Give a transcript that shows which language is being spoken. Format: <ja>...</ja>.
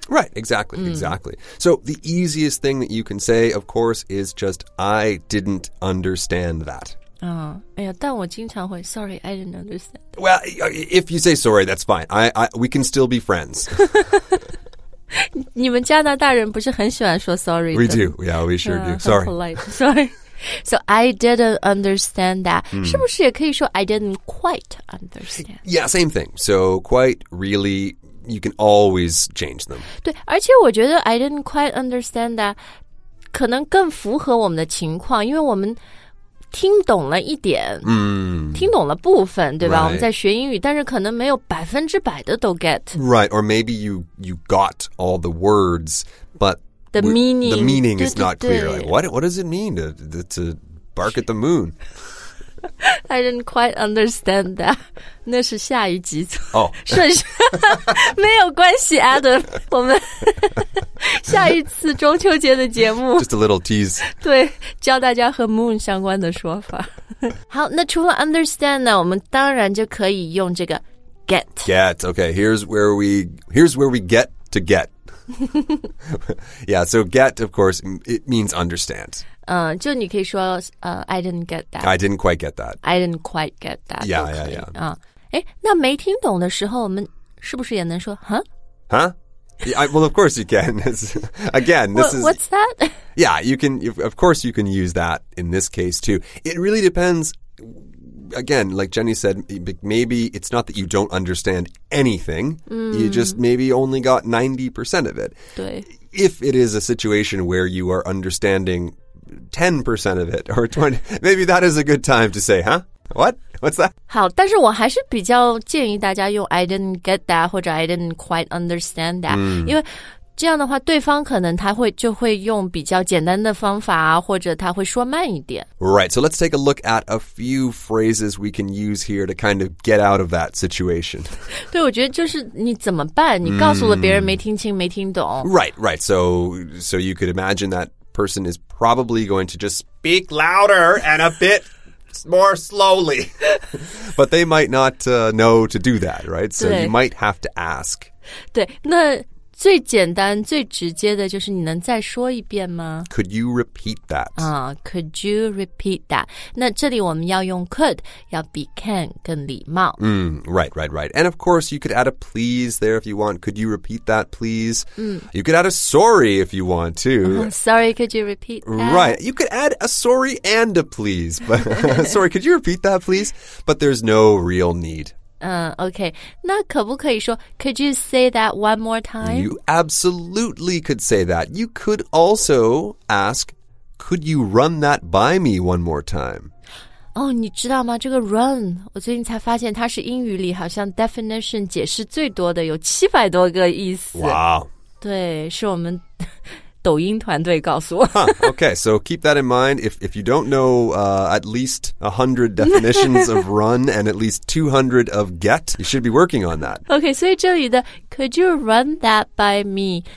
<en>Right, exactly, exactly. So the easiest thing that you can say, of course, is just, I didn't understand that.</en> <zh>哎呀但我经常会</zh> <en>sorry, I didn't understand. Well, if you say sorry, that's fine. We can still be friends.</en> <zh>你们加拿大人不是很喜欢说 sorry 的</zh> <en>We do, yeah, we sure do. Sorry. Polite, sorry. So I didn't understand that.、</en> <zh>是不是也可以说</zh> <en>I didn't quite understand? Yeah, same thing. So quite, really, you can always change them.</en> <zh>对，而且我觉得</zh> <en>I didn't quite understand that</en> <zh>可能更符合我们的情况，因为我们听懂了一点，听懂了部分，对吧？</zh> <en>Right.</en> <zh>我们在学英语，但是可能没有百分之百的都 get.</zh> <en>Right, or maybe you got all the words, but... The meaning is not clear. Like, what does it mean to bark at the moon? I didn't quite understand that.</en> <zh>那是下一集。</zh> <en>Oh.</en> <zh>顺序没有关系 Adam. 我们下一次中秋节的节目。</zh> <en>Just a little tease.</en> <zh>对，教大家和 moon 相关的说法。好，那除了 understand 呢，我们当然就可以用这个 get.</zh> <en>Get. Okay. Here's where we get to get. Yeah. So get, of course, it means understand.</en> <zh>就你可以说</zh> <en>I didn't get that. I didn't quite get that. I didn't quite get that. Yeah. Yeah. Yeah.</en> <zh>那没听懂的时候，我们是不是也能说 huh?</zh> <en>Huh? Yeah, well, of course you can. Again, this is... What's that? Yeah, you can... Of course you can use that in this case, too. It really depends. Again, like Jenny said, maybe it's not that you don't understand anything. Mm. You just maybe only got 90% of it.</en> <zh>对.</zh> <en>If it is a situation where you are understanding 10% of it or 20, maybe that is a good time to say, huh? What? What's that?</en> <zh>好，但是我还是比较建议大家用</zh> <en>I didn't get that</en> <zh>或者</zh> <en>I didn't quite understand that、</en> <zh>mm. 因为这样的话对方可能他会就会用比较简单的方法或者他会说慢一点</zh> <en>Right, so let's take a look at a few phrases we can use here to kind of get out of that situation</en> <zh>对，我觉得就是你怎么办你告诉了别人没听清、mm. 没听懂</zh> <en>Right, right, so you could imagine that person is probably going to just speak louder and a bit more slowly. But they might not know to do that, right? So you might have to ask.</en> <zh>对，那最简单、最直接的就是你能再说一遍吗？</zh> <en>Could you repeat that? Could you repeat that?</en> <zh>那这里我们要用 could, 要比 can 更礼貌。</zh> <en>Mm, right, right, right. And of course, you could add a please there if you want. Could you repeat that, please? Mm. You could add a sorry if you want to. Sorry, could you repeat that? Right. You could add a sorry and a please. But sorry, could you repeat that, please? But there's no real need. Okay.</en> <zh>那可不可以说</zh> <en>could you say that one more time? You absolutely could say that. You could also ask, could you run that by me one more time?</en> <zh>Oh, 你知道吗？这个 run, 我最近才发现它是英语里好像 definition 解释最多的，有700多个意思。</zh> <en>Wow.</en> <zh>对，是我们抖音团队告诉我。</zh> <en>Okay, so keep that in mind. If you don't know at least 100 definitions of run and at least 200 of get, you should be working on that. Okay,</en> <zh>所以这里的</zh> <en>could you run that by me?</en>